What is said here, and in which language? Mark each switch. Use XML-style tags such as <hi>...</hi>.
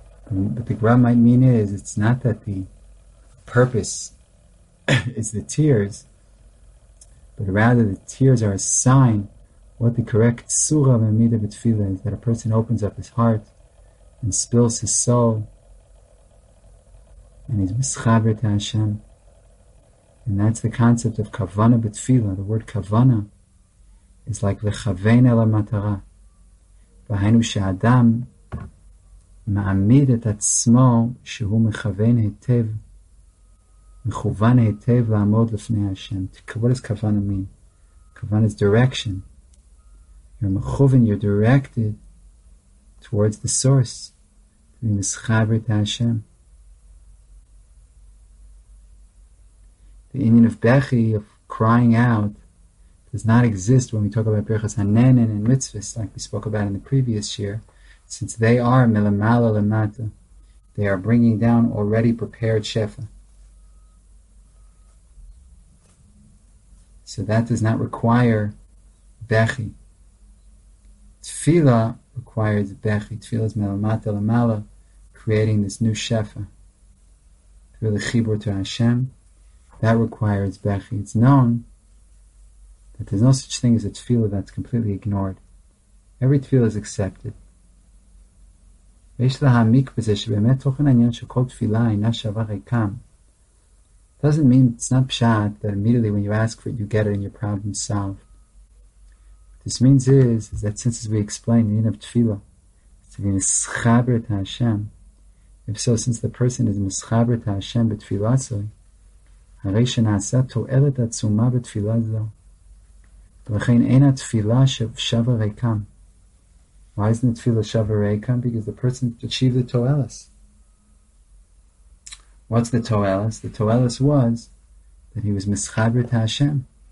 <en>But the Gra might mean is, it's not that the purpose is the tears, but rather the tears are a sign what the correct surah of amida b'tefila is, that a person opens up his heart and spills his soul, and he's mischaber to Hashem. And that's the concept of kavana b'tefila. The word kavana is like</en> <he>v'chaven el ha-matara. V'hainu she'adam מעמיד את עצמו שהוא מכוון היטב, מכוון היטב לעמוד לפני השם.</he> <en>What does kavana mean? Kavana is direction. You're מכוון, you're directed towards the source, to be</en> <he>מסחבר את השם.</he> <en>The union of bechi, of crying out, does not exist when we talk about berachas hanenen and mitzvahs, like we spoke about in the previous year. Since they are milamala lamata, they are bringing down already prepared shefa. So that does not require bechi. Tefillah requires bechi. Tefillah is milamata lamala, creating this new shefa through the chibur to Hashem. That requires bechi. It's known that there's no such thing as a tefillah that's completely ignored. Every tefillah is accepted.</en> <he>ויש להעמיק בזה שבאמת תוכן העניין שכל תפילה אינה שווה ריקם.</he> <en>Doesn't mean it's not pshat that immediately when you ask for it you get it and your problem is solved. What this means is that since as we explain the end of tefillah, it's to be mischaber to Hashem. If so, since the person is mischaber to Hashem</en> <he>בתפילה זו, הרי שנעשה תועלת עצומה בתפילה זו, ולכן אינה תפילה ששווה ריקם.</he> <en>Why isn't the tefillah shavah reikam? Because the person achieved the toelus. What's the toelus? The toelus was that he was mischaber to Hashem.</en>